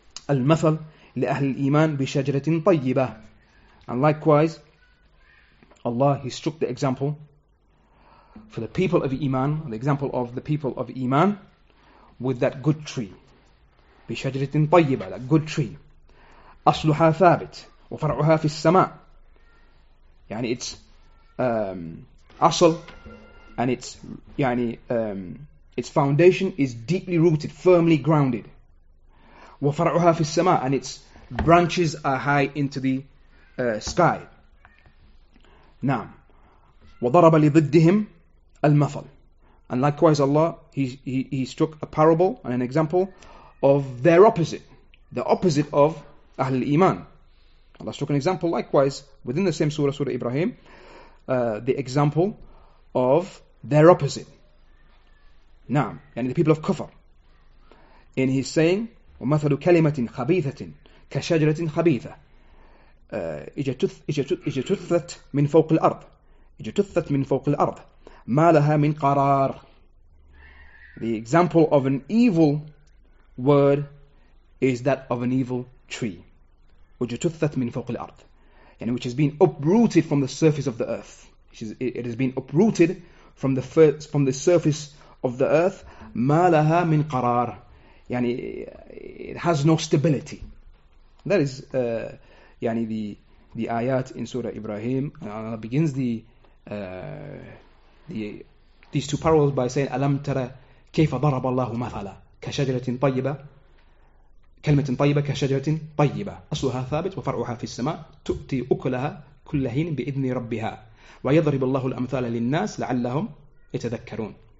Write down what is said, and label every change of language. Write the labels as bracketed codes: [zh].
[ar] المثل لأهل الإيمان بشجرة طيبة. [en] And likewise, Allah, He struck the example for the people of Iman, the example of the people of Iman, with that good tree. [ar] بشجرة طيبة, [en] that good tree. [ar] أصلها ثابت وفرعها في السماء. [en] يعني it's أصل, and it's يعني its foundation is deeply rooted, firmly grounded. [ar] وفرعها في السماء, [en] and its branches are high into the sky. نعم. [ar] وضرب لضدهم المثل. [en] And likewise Allah, he struck a parable and an example of their opposite, the opposite of [ar] أهل الإيمان. [en] Allah struck an example likewise within the same surah, Surah Ibrahim, the example of their opposite. نعم. يعني the people of kufr. And he's saying, [ar] ومثل كلمة خبيثة كشجرة خبيثة اجتثت من فوق الأرض. اجتثت من فوق الأرض ما لها من قرار. [en] The example of an evil word is that of an evil tree. [ar] اجتثت من فوق الأرض, [en] يعني which has been uprooted from the surface of the earth. It has been uprooted from the first, from the surface of the earth. [ar] ما لها من قرار, [en] يعني it has no stability. That is يعني the ayat in Surah Ibrahim. Allah begins these two parables by saying, [ar] ألم ترى كيف ضرب الله مثلا كشجرة طيبة, كلمة طيبة كشجرة طيبة أصلها ثابت وفرعها في السماء تؤتي أكلها كل حين بإذن ربها ويضرب الله الأمثال للناس لعلهم يتذكرون.